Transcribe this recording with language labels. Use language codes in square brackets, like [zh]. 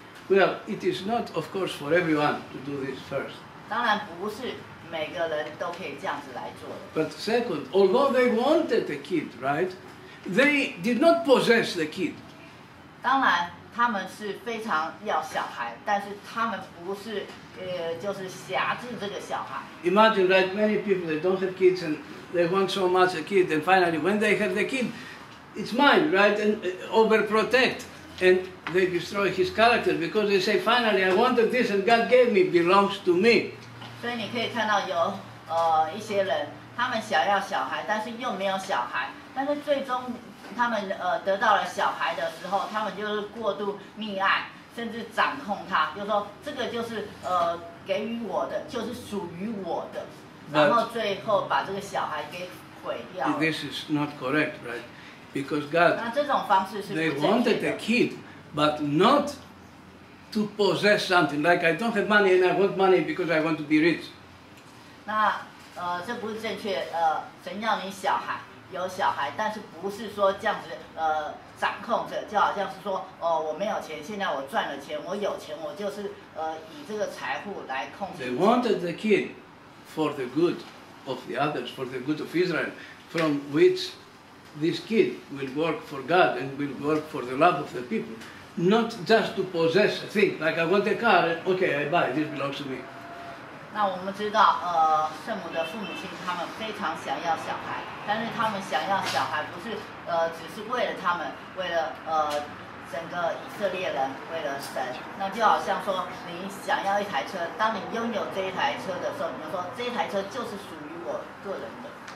[en] Well, it is not, of course, for everyone to do this first. [zh] 当然不是。每个人都可以这样子来做的。 [en] But second, although they wanted the kid, right? They did not possess the kid. [zh] 当然，他们是非常要小孩，但是他们不是就是辖制这个小孩。 [en] Imagine that many people they don't have kids and they want so much a kid, and finally when they have the kid, it's mine, right? And overprotect, and they destroy his character because they say, finally, I wanted this and God gave me, belongs to me. [zh] 所以你可以看到有一些人，他们想要小孩，但是又没有小孩，但是最终他们得到了小孩的时候，他们就是过度溺爱，甚至掌控他，就说这个就是给予我的，就是属于我的，然后最后把这个小孩给毁掉了。 [en] This is not correct, right? Because God. [zh] 那这种方式是不正确的。 [en] They wanted a kid, but not. To possess something like I don't have money and I want money because I want to be rich. [zh] 那这不是正确神要你小孩有小孩，但是不是说这样子掌控着，就好像是说我没有钱，现在我赚了钱，我有钱，我就是以这个财富来控制。 [en] They wanted the kid for the good of the others, for the good of Israel, from which this kid will work for God and will work for the love of the people. Not just to possess a thing, like I want a car, okay, I buy, this belongs to me. [zh] 那我们知道圣母的父母亲他们非常想要小孩，但是他们想要小孩不是只是为了他们，为了整个以色列人，为了神。那就好像说你想要一台车，当你拥有这一台车的时候，你就说这一台车就是属于我个人的。